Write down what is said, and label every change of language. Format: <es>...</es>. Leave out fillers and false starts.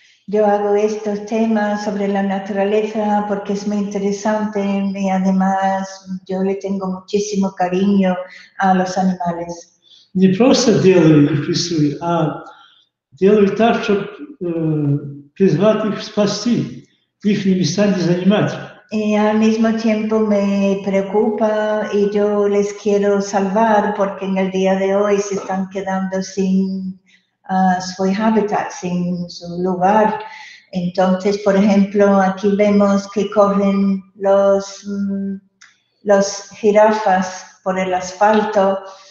<es>Yo hago estos temas sobre la naturaleza porque es muy interesante y además yo le tengo muchísimo cariño a los animales.</es> <ru>Не просто делаю их, рисую, а делаю так, чтобы призвать их спасти, их не местами занимать.</ru> <es>Y al mismo tiempo me preocupa y yo les quiero salvar porque en el día de hoy se están quedando sin su hábitat, sin su lugar. Entonces, por ejemplo, aquí vemos que corren los jirafas por el asfalto.</es>